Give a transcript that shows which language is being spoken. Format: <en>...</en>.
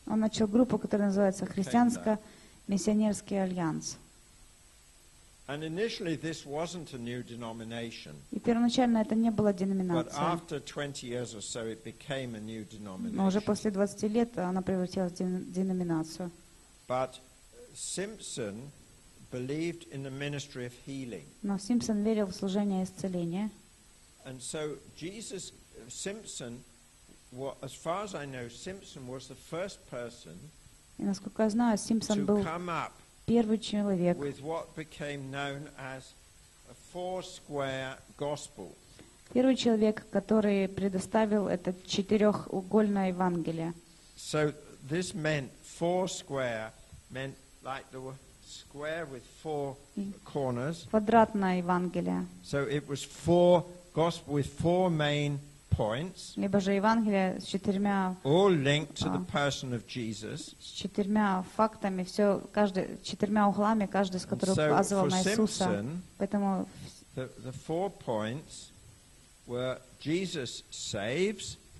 <ru>Он начал группу, которая называется Христианско-миссионерский альянс.</ru> <en>And initially this wasn't a new denomination.</en> <ru>И первоначально это не была деноминация.</ru> <en>But after 20 years or so it became a new denomination.</en> <ru>Но уже после 20 лет она превратилась в деноминацию.</ru> <en>But Simpson believed in the ministry of healing.</en> <ru>Но Симпсон верил в служение исцеления.</ru> <en>And so Jesus Simpson, well, as far as I know, Simpson was the first person.</en> <ru>И насколько я знаю, Симпсон был первый человек.</ru> <en>With what became known as a four-square gospel.</en> <ru>Первый человек, который предоставил это четырехугольное Евангелие.</ru> <en>So this meant four square meant like there were square with four corners.</en> <ru>Квадратное Евангелие.</ru> <en>So it was four gospel with four main points.</en> <ru>Либо же Евангелие с четырьмя.</ru> <en>All linked to the person of Jesus.</en> <ru>С четырьмя фактами, все каждый четырьмя углами, каждый из которых указывал на Иисуса. Поэтому</ru> <en>the four points were Jesus saves.</en>